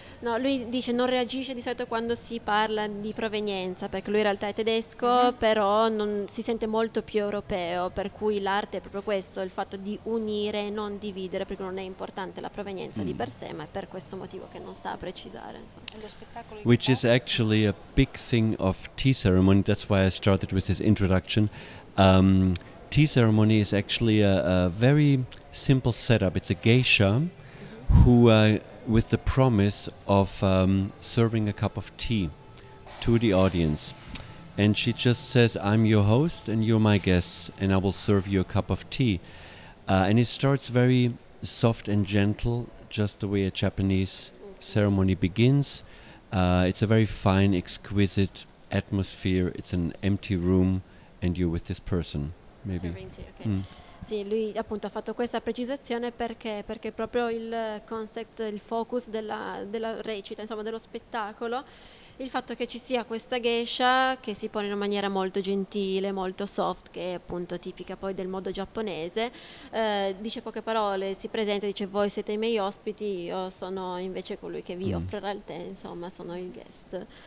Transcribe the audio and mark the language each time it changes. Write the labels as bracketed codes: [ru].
[it] No, lui dice non reagisce di solito quando si parla di provenienza, perché lui in realtà è tedesco, però non si sente molto più europeo, per cui l'arte è proprio questo, il fatto di unire e non dividere, perché non è importante la provenienza di per sé, ma è per questo motivo che non sta a precisare. [en] Which is actually a big thing of tea ceremony, that's why I started with this introduction. Tea ceremony is actually a very simple setup. It's a geisha who with the promise of serving a cup of tea to the audience. And she just says, I'm your host and you're my guests and I will serve you a cup of tea. And it starts very soft and gentle, just the way a Japanese ceremony begins. It's a very fine, exquisite atmosphere. It's an empty room and you're with this person, maybe. [it] Sì, lui appunto ha fatto questa precisazione perché proprio il concept, il focus della recita, insomma dello spettacolo, il fatto che ci sia questa geisha che si pone in una maniera molto gentile, molto soft, che è appunto tipica poi del modo giapponese, dice poche parole, si presenta, dice voi siete i miei ospiti, io sono invece colui che vi offrirà il tè, insomma sono il guest.